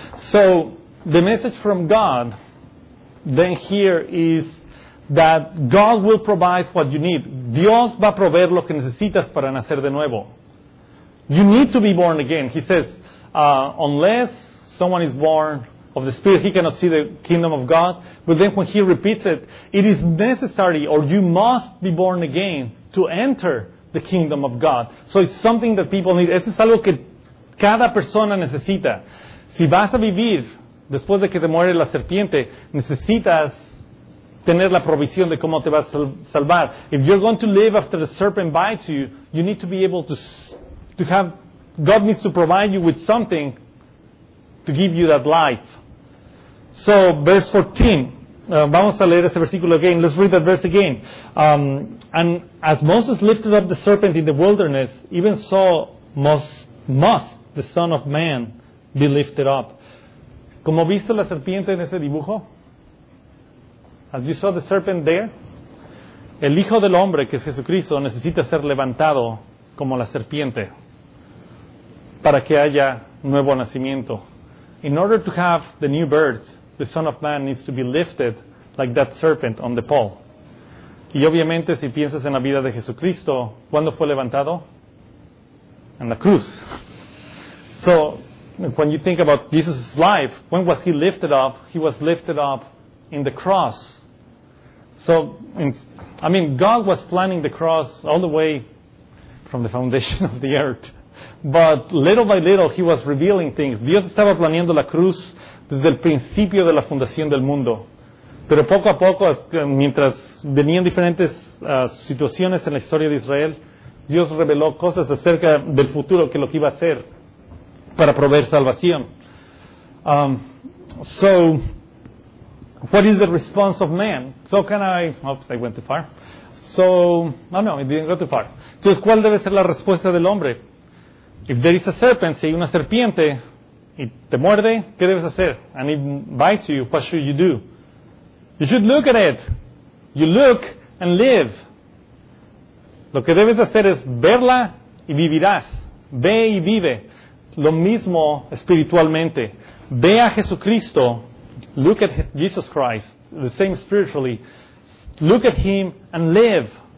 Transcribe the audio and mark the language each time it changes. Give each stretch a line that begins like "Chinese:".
English: So, the message from God then here is that God will provide what you need.
Spanish: Dios va a proveer lo que necesitas para nacer de nuevo.
English: You need to be born again. He says, unless someone is born of the Spirit, he cannot see the kingdom of God. But then when he repeats it is necessary, or you must be born again to enter the kingdom of God. So it's something that people need.
Spanish: Eso es algo que cada persona necesita. si vas a vivir después de que te muere la serpiente, necesitas tener la provisión de cómo te vas a salvar.
English: If you're going to live after the serpent bites you, you need to be able to have, God needs to provide you with something to give you that life. So, verse 14.
Spanish: Vamos a leer ese versículo
English: again. Let's read that verse again. And as Moses lifted up the serpent in the wilderness, even so must the Son of Man be lifted up.
Spanish: ¿Cómo viste la serpiente en ese dibujo?
English: As you saw the serpent there?
Spanish: El Hijo del Hombre, que es Jesucristo, necesita ser levantado como la serpiente para que haya nuevo nacimiento.
English: In order to have the new birth, the Son of Man needs to be lifted like that serpent on the pole.
Spanish: Y obviamente, si piensas en la vida de Jesucristo, ¿cuándo fue levantado? En la cruz.
English: So, when you think about Jesus' life, when was he lifted up? He was lifted up in the cross. So, God was planning the cross all the way from the foundation of the earth. But little by little, he was revealing things.
Spanish: Dios estaba planeando la cruz desde el principio de la fundación del mundo. Pero poco a poco, mientras venían diferentes situaciones en la historia de Israel, Dios reveló cosas acerca del futuro que lo que iba a hacer para proveer salvación.
English: So, what is the response of man? So can I... Oops, I went too far. It didn't go too far.
Spanish: Entonces, ¿cuál debe ser la respuesta del hombre?
English: If there is a serpent,
Spanish: si hay una serpiente y te muerde, ¿qué debes hacer?
English: And it bites you, what should you do? You should look at it. You look and live.
Spanish: Lo que debes hacer es verla y vivirás. Ve y vive. Lo mismo espiritualmente. Ve a Jesucristo.
English: Look at Jesus Christ. The same spiritually. Look at him and live.